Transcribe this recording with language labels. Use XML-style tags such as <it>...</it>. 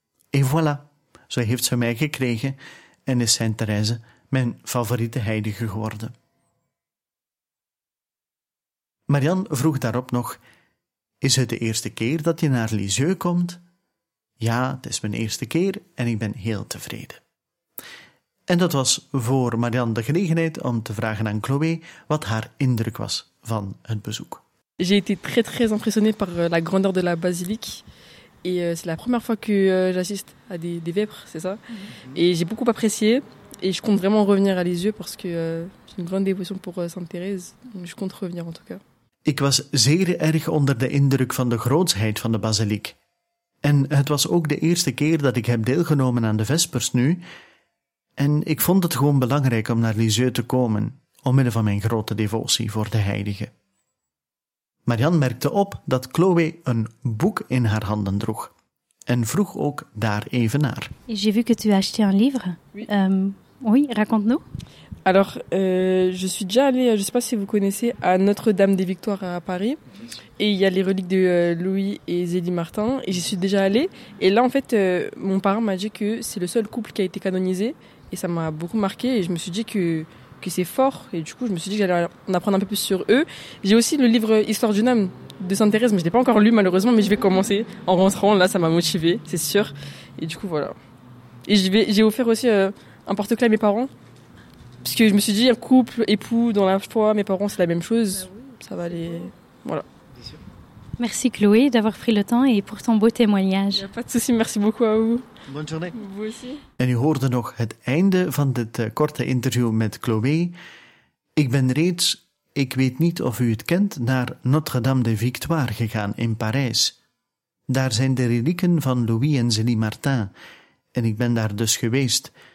<fr>Et voilà,</fr> <nl>zo heeft ze mij gekregen en is Sainte Thérèse mijn favoriete heilige geworden. Marianne vroeg daarop nog: Is het de eerste keer dat je naar Lisieux komt? Ja, het is mijn eerste keer en ik ben heel tevreden. En dat was voor Marianne de gelegenheid om te vragen aan Chloé wat haar indruk was van het bezoek.</nl> <fr>J'ai été très très impressionnée par la grandeur de la basilique. Et c'est la première fois que j'assiste à des vêpres, c'est ça. Et j'ai beaucoup apprécié. Et je compte vraiment revenir à Lisieux parce que j'ai une grande dévotion pour Sainte-Thérèse. Je compte revenir en tout cas.</fr> <nl>Ik was zeer erg onder de indruk van de grootsheid van de basiliek. En het was ook de eerste keer dat ik heb deelgenomen aan de Vespers nu. En ik vond het gewoon belangrijk om naar Lisieux te komen, omwille van mijn grote devotie voor de heilige. Marianne merkte op dat Chloé een boek in haar handen droeg en vroeg ook daar even naar.</nl> <fr>J'ai vu que tu as acheté un livre. Oui, raconte-nous. Alors, je suis déjà allée, je sais pas si vous connaissez, à Notre-Dame des Victoires à Paris. Et il y a les reliques de Louis et Zélie Martin. Et j'y suis déjà allée. Et là, en fait, mon parent m'a dit que c'est le seul couple qui a été canonisé. Et ça m'a beaucoup marqué. Et je me suis dit que c'est fort. Et du coup, je me suis dit que j'allais en apprendre un peu plus sur eux. J'ai aussi le livre Histoire d'une âme de Sainte-Thérèse. Mais je l'ai pas encore lu, malheureusement. Mais je vais commencer en rentrant. Là, ça m'a motivée, c'est sûr. Et du coup, voilà. Et j'ai offert aussi un porte-clés à mes parents. Parce que je me suis dit, un couple, époux, dans la foi, mes parents, c'est la même chose. Ça va aller... Voilà. Merci Chloé d'avoir pris le temps et pour ton beau témoignage. Pas de souci, merci beaucoup à vous. Bonne journée. Vous aussi.</fr> <nl>En u hoorde nog het einde van dit korte interview met Chloé. Ik ben reeds, ik weet niet of u het kent, naar Notre-Dame des Victoires gegaan in Parijs. Daar zijn de relieken van Louis en Zélie Martin. En ik ben daar dus geweest...</nl>